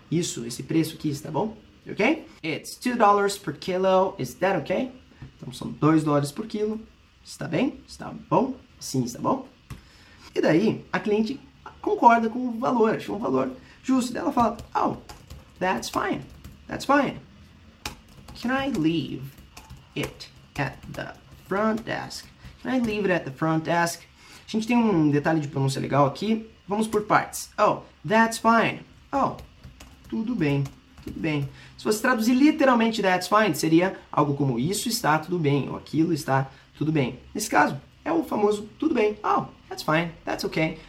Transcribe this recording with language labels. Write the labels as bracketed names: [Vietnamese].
[Portuguese] Isso, esse preço aqui está bom? Ok? [English] It's $2 per kilo. Is that okay? [Portuguese] Então são $2 por quilo. Está bem? Está bom? Sim, está bom? E daí, a cliente concorda com o valor, acha um valor justo. Daí ela fala, oh, [English] That's fine. Can I leave it at the front desk? Can I leave it at the front desk? [Portuguese] A gente tem um detalhe de pronúncia legal aqui. Vamos por partes. [English] Oh, that's fine. [Portuguese] Oh, tudo bem. Se fosse traduzir literalmente [English] that's fine, [Portuguese] seria algo como isso está tudo bem, ou aquilo está tudo bem. Nesse caso, é o famoso tudo bem. [English] Oh, that's fine. That's okay.